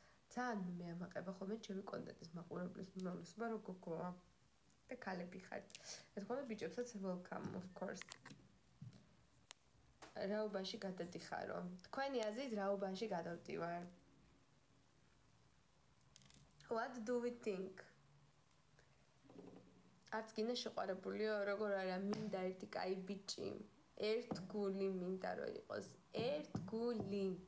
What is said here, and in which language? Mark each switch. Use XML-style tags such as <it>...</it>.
<ka>Ძალიან მე ამაყება ხოლმე ჩემი კონტენტის მაყურებლის უმრავლესობა რო გოგოა და ქალები ხართ. ეთქვა ბიჭებსაც</ka> <en>welcome of course.</en> <ka>რაუბანში გადადიხარო? თქვენი აზრით რაუბანში გადავდივარ?</ka> <en>What do we think?</en> <ka>არც კიდე შეყვარებულიო, როგორ არა, მინდა ერთი კაი ბიჭი. ერთ გული მინდა რომ იყოს, ერთ გული.</ka>